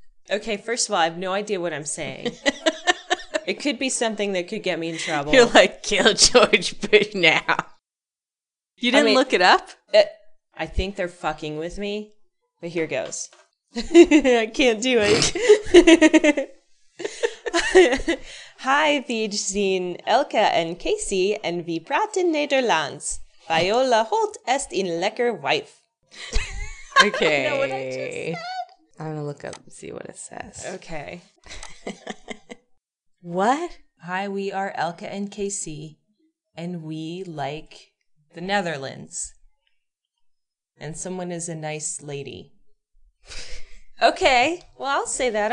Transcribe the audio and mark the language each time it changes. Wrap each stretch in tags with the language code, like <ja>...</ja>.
<en>Okay, first of all, I have no idea what I'm saying. It could be something that could get me in trouble. You're like, kill George Bush now. You didn't look it up? I think they're fucking with me, but here goes. I can't do it.</en> <nl>Hi, Wij zijn Elka en Casey, en we praten Nederlands. Viola Holt est een lekker wife.</nl> <en>Okay. I don't know what I just said. I'm going to look up and see what it says. Okay. What? Hi, we are Elka and Casey, and we like the Netherlands. And someone is a nice lady. Okay, well, I'll say that.</en>